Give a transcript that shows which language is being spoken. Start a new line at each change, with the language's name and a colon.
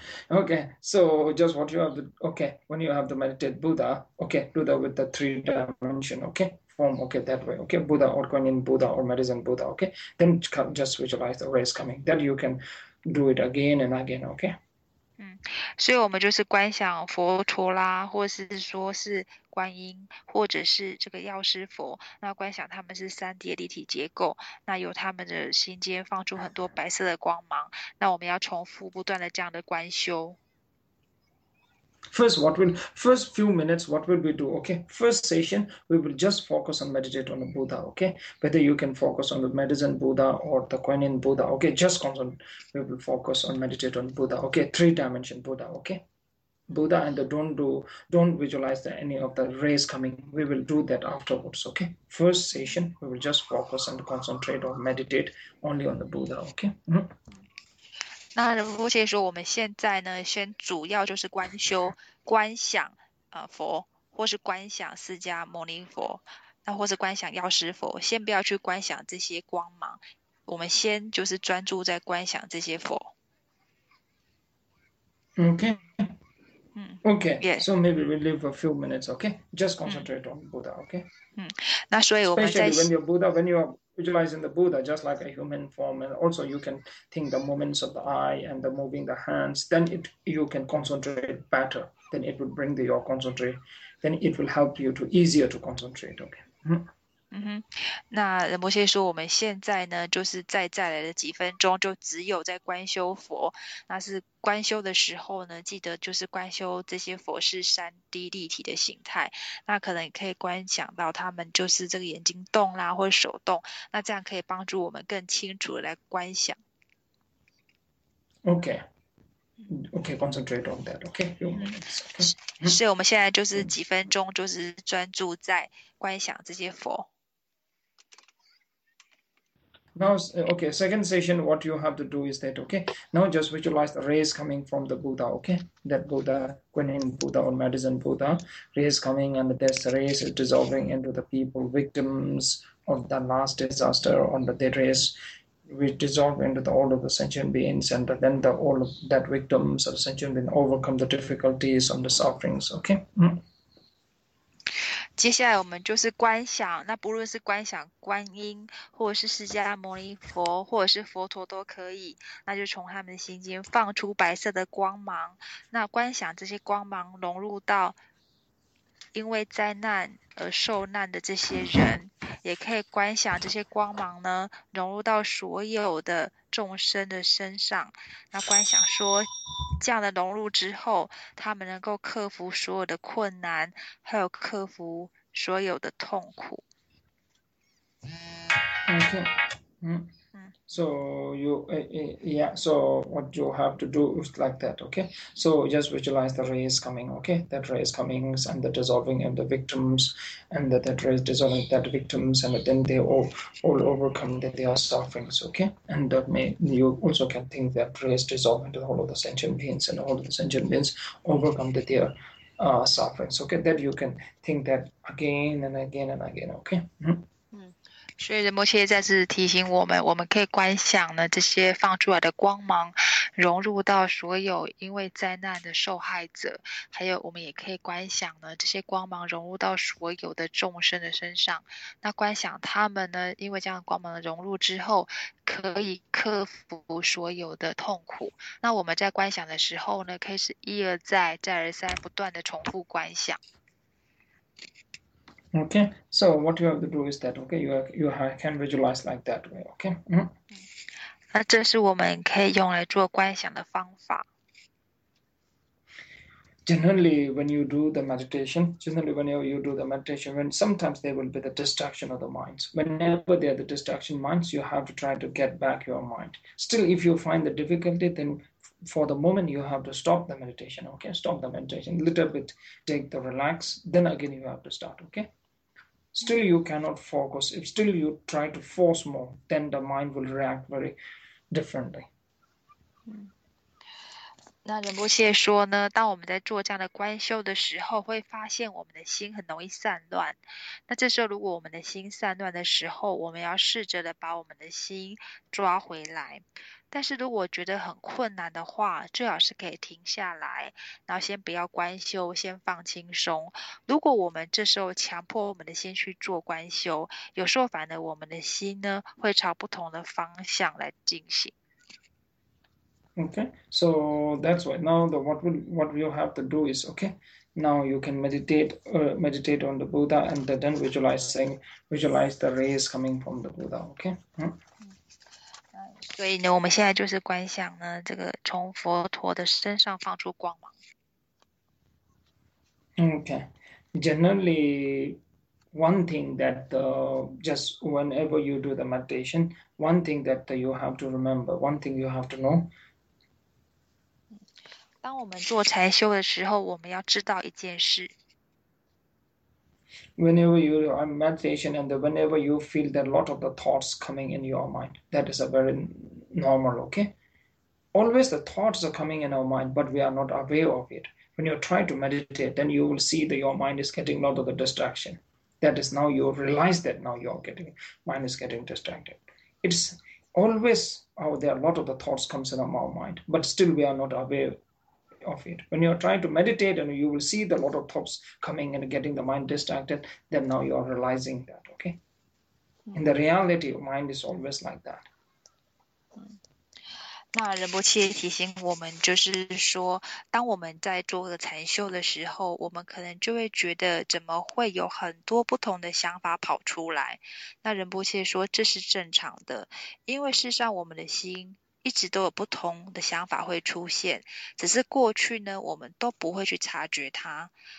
English: okay. So just what you have, okay, when you have to meditate Buddha, okay, Buddha with the three dimension, okay? Form, okay, that way, okay? Buddha or Kuan Yin Buddha or medicine Buddha, okay? Then just visualize the rays coming. Then you can do it again and again, okay?
Chinese: 所以我们就是观想佛陀啦，或是说是观音，或者是这个药师佛，那观想他们是3D 立体结构，那由他们的心间放出很多白色的光芒，那我们要重复不断的这样的观修。
English: First, what will first few minutes? What will we do? Okay, first session, we will just focus on meditate on the Buddha. Okay, whether you can focus on the medicine Buddha or the Kuan Yin Buddha. Okay, just concentrate. We will focus on meditate on Buddha. Okay, three dimension Buddha. Okay, Buddha and don't visualize any of the rays coming. We will do that afterwards. Okay, first session, we will just focus and concentrate or meditate only on the Buddha. Okay.
Chinese: 那仁波切说，我们现在呢，先主要就是观修、观想啊、佛，或是观想释迦牟尼佛，那或是观想药师佛，先不要去观想这些光芒，我们先就是专注在观想这些佛。
English: Okay. So maybe we leave a few minutes. Okay, just concentrate on Buddha. Okay.
Chinese: 那所以我们在。
English: Especially when you're Buddha, when you're visualizing the Buddha, just like a human form, and also you can think the movements of the eye and the moving the hands. Then it you can concentrate better. Then it will bring your concentrate. Then it will help you to easier to concentrate. Okay.
Chinese: 那仁波切说，我们现在呢，就是在再来的几分钟，就只有在观修佛。那是观修的时候呢，记得就是观修这些佛是3D 立体的形态。那可能可以观想到他们就是这个眼睛动啦，或手动。那这样可以帮助我们更清楚来观想。
English: Okay. Okay, concentrate on that. Okay, few minutes. Okay.
Chinese: 所以我们现在就是几分钟，就是专注在观想这些佛。
English: Now, okay, second session, what you have to do is that, okay, now just visualize the rays coming from the Buddha, okay? That Buddha, Kuan Yin Buddha or medicine Buddha, rays coming and this rays is dissolving into the people, victims of the last disaster on the dead race. We dissolve into all of the sentient beings, and then all of that victims of sentient beings overcome the difficulties and the sufferings. Okay.
Chinese: 接下来我们就是观想，那不论是观想观音，或者是释迦牟尼佛，或者是佛陀都可以。那就从他们的心间放出白色的光芒，那观想这些光芒融入到因为灾难而受难的这些人，也可以观想这些光芒呢融入到所有的众生的身上，那观想说这样的融入之后，他们能够克服所有的困难，还有克服所有的痛苦。
English: OK、So you, yeah, so what you have to do is like that, okay? So just visualize the ray is coming, okay? That ray is coming and the dissolving and the victims, and that ray is dissolving that victims, and then they all overcome that they are sufferings, okay? And that may, you also can think that ray is dissolving to all of the sentient beings, and all of the sentient beings overcome that they are sufferings, okay? That you can think that again and again and again, okay? Mm-hmm.
Chinese: 所以仁波切再次提醒我们，我们可以观想呢这些放出来的光芒融入到所有因为灾难的受害者，还有我们也可以观想呢这些光芒融入到所有的众生的身上，那观想他们呢因为这样光芒的融入之后可以克服所有的痛苦。那我们在观想的时候呢，可以是一而再再而三不断的重复观想。
English: Okay, so what you have to do is that, okay, you can visualize like that way, okay?
Chinese: 那这是我们可以用来做观想的方法。
English: Generally, when you do the meditation, when sometimes there will be the distraction of the minds. Whenever there are the distraction minds, you have to try to get back your mind. Still, if you find the difficulty, then for the moment, you have to stop the meditation, okay? Stop the meditation, little bit, take the relax, then again, you have to start, okay? Still, you cannot focus. If still you try to force more, then the mind will react very differently.
Chinese: 那仁波切说呢，当我们在做这样的观修的时候，会发现我们的心很容易散乱。那这时候，如果我们的心散乱的时候，我们要试着的把我们的心抓回来。但是如果觉得很困难的话，最好是可以停下来，然后先不要观修，先放轻松。如果我们这时候强迫我们的心去做观修，有时候反而我们的心呢会朝不同的方向来进行。
English: Okay, so that's why now the what you have to do is okay. Now you can meditate on the Buddha and then visualize the rays coming from the Buddha, okay?
Chinese: 所以呢，我们现在就是观想呢，这个从佛陀的身上放出光芒。
English: Okay, generally, one thing that just whenever you do the meditation, one thing that you have to remember, one thing you have to know,
Chinese: 当我们做禅修的时候，我们要知道一件事。
English: Whenever you are meditation and whenever you feel that a lot of the thoughts coming in your mind, that is a very normal, okay? Always the thoughts are coming in our mind, but we are not aware of it. When you try to meditate, then you will see that your mind is getting a lot of the distraction. That is now you realize that now you are getting, mind is getting distracted. It's always, oh, there are a lot of the thoughts comes in our mind, but still we are not aware. Of it. When you're trying to meditate and you will see the lot of thoughts coming and getting the mind distracted, then now you're realizing that, okay? In the reality, your mind is always like that.
Chinese: 那仁波切提醒我们，就是说，当我们在做个禅修的时候，我们可能就会觉得怎么会有很多不同的想法跑出来。那仁波切说，这是正常的，因为事实上我们的心一直都有不同的想法会出现，只是过去呢，我们都不会去察觉它。